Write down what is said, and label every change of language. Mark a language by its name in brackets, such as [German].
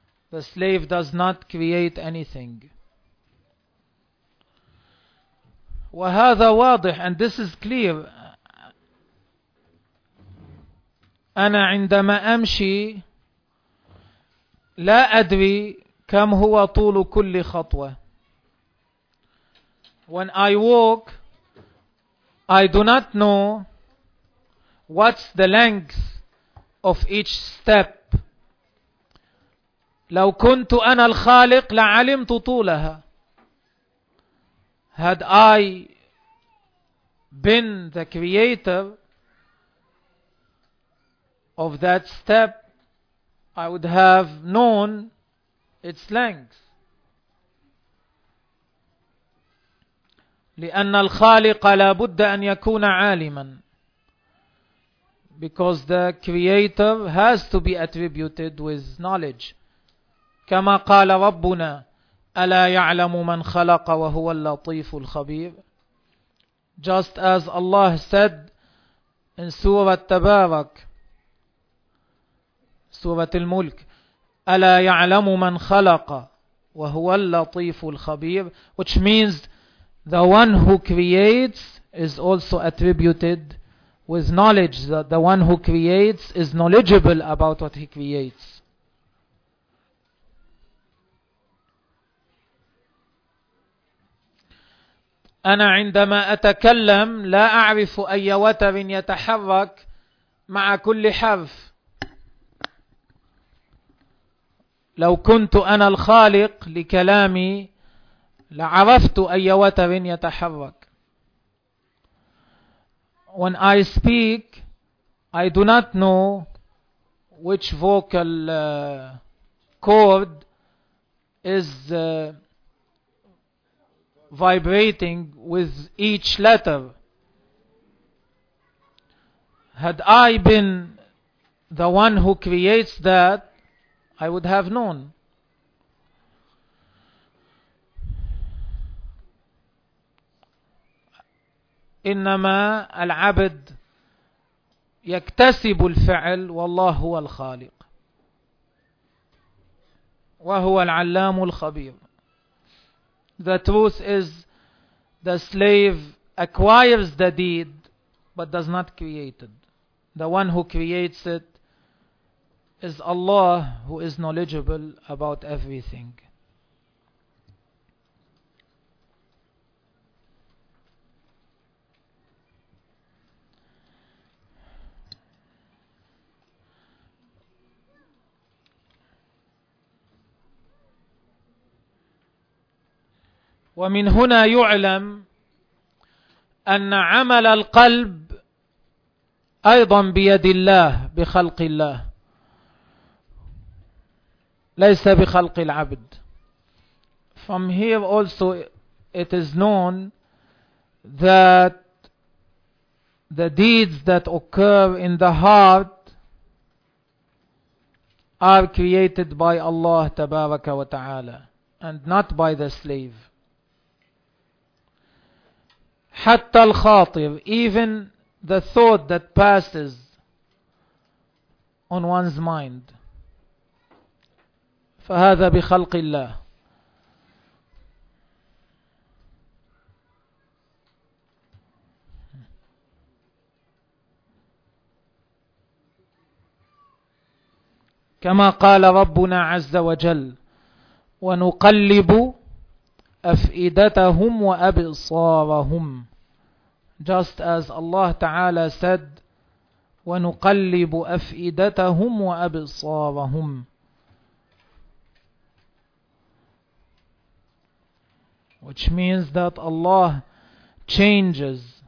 [English] The slave does not create anything. [Arabic] وهذا واضح, [English] and this is clear. [Arabic] أنا عندما أمشي لا أدري كم هو طول كل خطوة. [English] When I walk, I do not know what's the length of each step. [Arabic] لو كنت أنا الخالق لعلمت طولها. [English] Had I been the creator of that step, I would have known its length. [Arabic] لأن الخالق لابد أن يكون عالما. [English] Because the creator has to be attributed with knowledge. [Arabic] كما قال ربنا ألا يعلم من خلق وهو اللطيف الخبير. [English] Just as Allah said in Surah Tabarak, Surah Al-Mulk, [Arabic] ألا يعلم من خلق وهو اللطيف الخبير, [English] which means the one who creates is also attributed with knowledge, that the one who creates is knowledgeable about what he creates. [Arabic] أنا عندما أتكلم لا أعرف أي وتر يتحرك مع كل حرف. لو كنت أنا الخالق لكلامي لعرفت أي وتر يتحرك. [English] When I speak, I do not know which vocal cord is vibrating with each letter. Had I been the one who creates that, I would have known. [Arabic] إنما العبد يكتسب الفعل والله هو الخالق وهو العلام الخبير. [English] The truth is, the slave acquires the deed but does not create it. The one who creates it is Allah, who is knowledgeable about everything. [Arabic] ومن هنا يعلم أن عمل القلب أيضا بيد الله, بخلق الله ليس بخلق العبد. [English] From here also it is known that the deeds that occur in the heart are created by Allah [Arabic] تبارك وتعالى [English] and not by the slave. [Arabic] حتى الخاطر, [English] even the thought that passes on one's mind, [Arabic] فهذا بخلق الله. كما قال ربنا عز وجل ونقلب أفئدتهم وأبصارهم. [English] Just as Allah Ta'ala said, [Arabic] وَنُقَلِّبُ أَفْئِدَتَهُمْ وَأَبْصَارَهُمْ. [English] Which means that Allah changes.